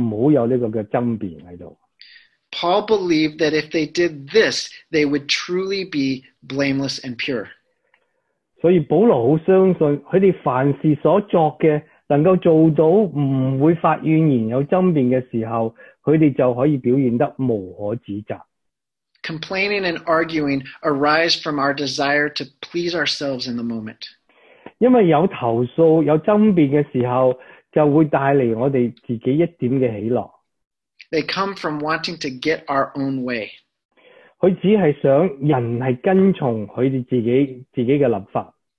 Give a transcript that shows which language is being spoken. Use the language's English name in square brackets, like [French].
[Chinese] 他们所做的不要有埋怨，又不要有这个争辩在这里。 [English] Paul believed that if they did this, they would truly be blameless and pure. [Chinese] 所以保罗很相信，他们凡事所作的，能够做到不会发怨言有争辩的时候，他们就可以表现得无可指责。 [English] Complaining and arguing arise from our desire to please ourselves in the moment. [Chinese] 因为有投诉，有争辩的时候，就会带来我们自己一点的喜乐。 [English] They come from wanting to get our own way. [Chinese] 他只是想人是跟从他们自己的立法。